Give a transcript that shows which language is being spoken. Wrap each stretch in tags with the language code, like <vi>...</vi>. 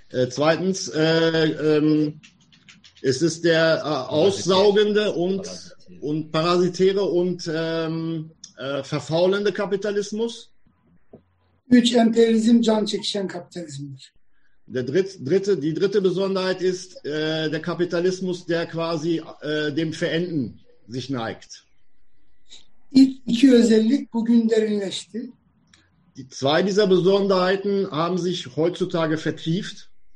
<de>Zweitens es ist der aussaugende und parasitäre und verfaulende Kapitalismus.</de> <tr>Üç, emperyalizm can çekişen kapitalizmdir.</tr> <de>Die dritte Besonderheit ist der Kapitalismus, der quasi dem Verenden sich neigt.</de> <tr>İki özellik bugün derinleşti.</tr> <de>Zwei dieser Besonderheiten haben sich heutzutage vertieft.</de>